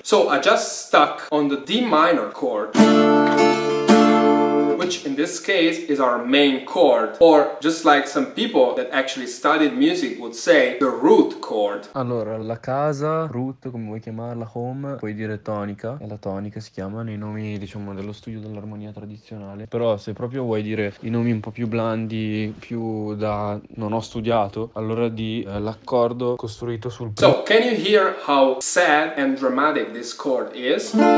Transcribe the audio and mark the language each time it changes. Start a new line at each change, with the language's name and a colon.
English: So I just stuck on the D minor chord, which in this case is our main chord, or just like some people that actually studied music would say, the root chord.
Italian: Allora, la casa, root, come vuoi chiamarla, home, puoi dire tonica, e la tonica si chiama nei nomi, diciamo, dello studio dell'armonia tradizionale. Però se proprio vuoi dire i nomi un po' più blandi, più da non ho studiato, allora di l'accordo costruito sul...
English: So, can you hear how sad and dramatic this chord is?